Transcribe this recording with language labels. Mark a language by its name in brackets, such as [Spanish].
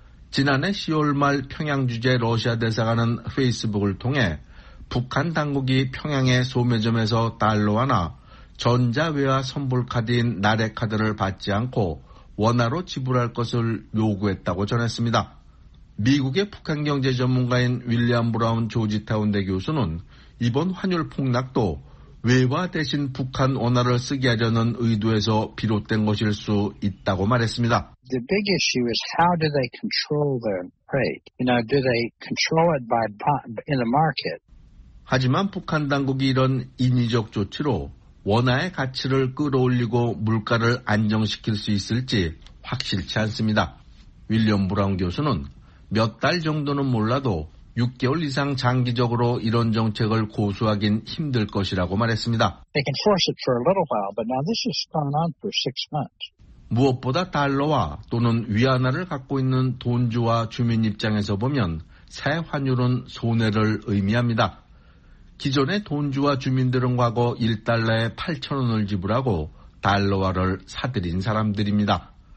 [Korean] 지난해 10월 말 평양 주재 러시아 대사관은 페이스북을 통해 북한 당국이 평양의 소매점에서 달러화나 전자외화 선불카드인 나래카드를 받지 않고 원화로 지불할 것을 요구했다고 전했습니다. 미국의 북한 경제 전문가인 윌리엄 브라운 조지타운대 교수는 이번 환율 폭락도 외화 대신 북한 원화를 쓰게 하려는 의도에서 비롯된 것일 수 있다고 말했습니다. [English] The big issue is how do they control their rate? You know, do they control it by in the market? [Korean] 하지만 북한 당국이 이런 인위적 조치로 원화의 가치를 끌어올리고 물가를 안정시킬 수 있을지 확실치 않습니다. 윌리엄 브라운 교수는 몇 달 정도는 몰라도 6개월 이상 장기적으로 이런 정책을 고수하긴 힘들 것이라고 말했습니다. [English] They can force it for a little while, but now this has gone on for 6 months. [Korean] 무엇보다 달러와 또는 위안화를 갖고 있는 돈주와 주민 입장에서 보면 새 환율은 손해를 의미합니다. 기존의 돈주와 주민들은 과거 1달러에 8,000원을 지불하고 달러화를 사들인 사람들입니다.